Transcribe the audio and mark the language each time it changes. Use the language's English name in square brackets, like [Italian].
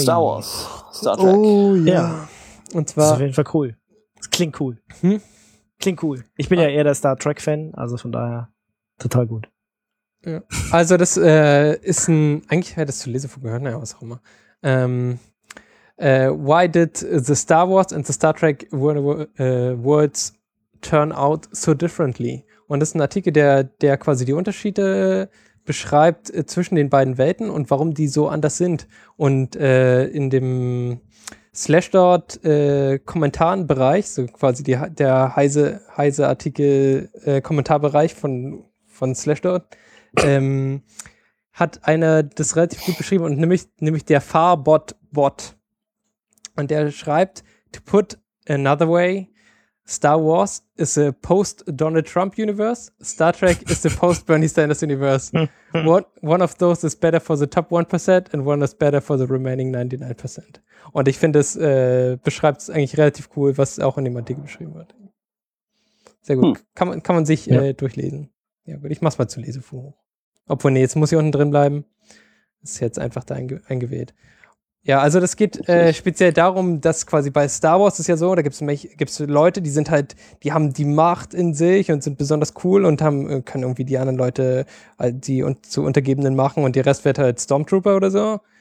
[English] Star Wars. Star Trek. [German] Oh, ja. Und zwar, das ist auf jeden Fall cool. Das klingt cool. Klingt cool. Ich bin ja eher der Star Trek-Fan, also von daher total gut. Ja. Also das ist ein, eigentlich hätte ich das zu lesen von gehört, naja, was auch immer. [English] Why did the Star Wars and the Star Trek worlds turn out so differently? [German] Und das ist ein Artikel, der quasi die Unterschiede beschreibt zwischen den beiden Welten und warum die so anders sind. Und in dem Slashdot Kommentarenbereich, so quasi der heise Artikel Kommentarbereich von Slashdot, hat einer das relativ gut beschrieben, und nämlich der Farbot-Bot. Und der schreibt: [English] To put another way, Star Wars is a post-Donald Trump universe, Star Trek is a post-Bernie Sanders universe. One of those is better for the top 1% and one is better for the remaining 99%. [German] Und ich finde, es beschreibt es eigentlich relativ cool, was auch in dem Artikel beschrieben wird. Sehr gut. Kann man sich durchlesen. Ja, gut, ich mach's mal zu Lesevorhang. Obwohl, nee, jetzt muss ich unten drin bleiben. Ist jetzt einfach da eingewählt. Ja, also das geht speziell darum, dass quasi bei Star Wars ist ja so, da gibt's Leute, die sind halt, die haben die Macht in sich und sind besonders cool und können irgendwie die anderen Leute, die zu Untergebenen machen, und der Rest wird halt Stormtrooper oder so.